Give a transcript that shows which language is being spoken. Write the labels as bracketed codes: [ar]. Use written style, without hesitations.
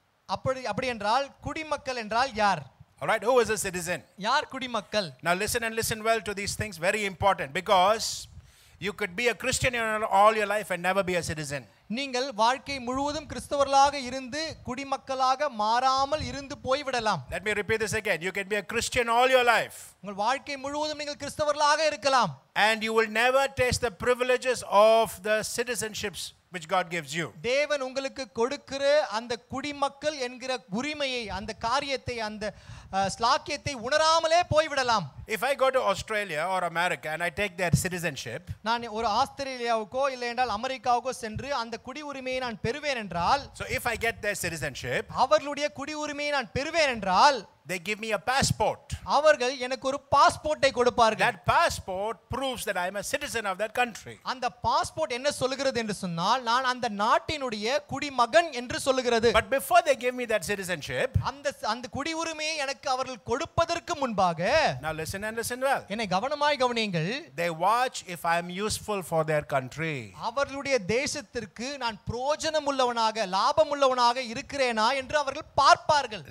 [ta] அப்படி என்றால் குடிமக்கள் என்றால் யார் [en] All right, who is a citizen? [ta] யார் குடிமக்கள் [en] Now listen and listen well to these things very important because you could be a Christian all your life and never be a citizen. [ta] நீங்கள் வாழ்க்கை முழுவதும் கிறிஸ்தவர்களாக இருந்து குடிமக்களாக மாறாமல் இருந்து போய் விடலாம். [en] Let me repeat this again. You can be a Christian all your life. [ta] உங்கள் வாழ்க்கை முழுவதும் நீங்கள் கிறிஸ்தவர்களாக இருக்கலாம். [en] And you will never taste the privileges of the citizenships. Which God gives you. [ta] தேவன் உங்களுக்கு கொடுக்கிற அந்த குடிமக்கள் என்கிற உரிமையை அந்த காரியத்தை அந்த ஸ்லாக்கியத்தை உணராமலே போய் விடலாம். [en] If I go to Australia or America and I take their citizenship, [ta] நான் ஒரு ஆஸ்திரேலியாவுக்கோ இல்ல என்றால் அமெரிக்காவுக்கோ சென்று அந்த குடியுரிமையை நான் பெறுவேன் என்றால், [en] so if I get their citizenship, [ta] அவர்களுடைய குடியுரிமையை நான் பெறுவேன் என்றால், [en] they give me a passport. [ta] அவர்கள் எனக்கு ஒரு பாஸ்போர்ட்டை கொடுப்பார்கள். [en] That passport proves that I am a citizen of that country. [ta] அந்த பாஸ்போர்ட் என்ன சொல்கிறது என்று சொன்னால், நான் அந்த நாட்டினுடைய குடிமகன் என்று சொல்கிறது. [en] But before they give me that citizenship, [ta] அந்த குடியுரிமையை எனக்கு அவர்கள் கொடுப்பதற்கு முன்பாக, [en] now listen and listen well. [ta] என்னை கவனமாய் கவனியுங்கள். [en] They watch if I am useful for their country. [ta] அவர்களுடைய தேசத்திற்கு நான் பிரயோஜனமுள்ளவனாக, லாபமுள்ளவனாக இருக்கிறேனா என்று அவர்கள் பார்ப்பார்கள்.